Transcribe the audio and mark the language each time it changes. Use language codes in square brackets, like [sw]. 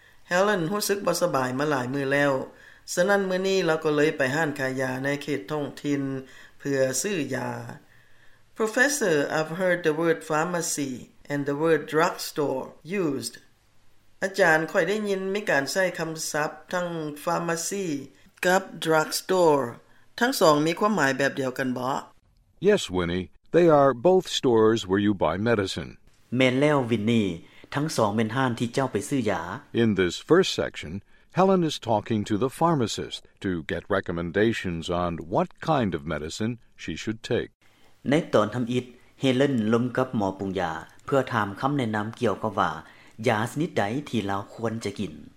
[tts] Helen รู้สึกบ่สบายมาหลายมื้อแล้วฉะนั้นมื้อนี้เราก็เลยไปห้างขายยาในเขตท้องถิ่นเพื่อซื้อยา [en] Professor, I've heard the word pharmacy and the word drugstore used. [tts] อาจารย์ค่อยได้ยินมีการใช้คำศัพท์ทั้ง pharmacy กับ drugstore ทั้งสองมีความหมายแบบเดียวกันบ่ [en] Yes, Winnie. They are both stores where you buy medicine. [tts] แม่นแล้ว Winnie. ทั้งสองแม่นห้างที่เจ้าไปซื้อยา [en] In this first section, Helen is talking to the pharmacist to get recommendations on what kind of medicine she should take. [tts] ในตอนทําอิฐ Helen ลงกับหมอปรุงยาเพื่อถามคําแนะนําเกี่ยวกับว่ายาชนิดใดที่เราควรจะกิน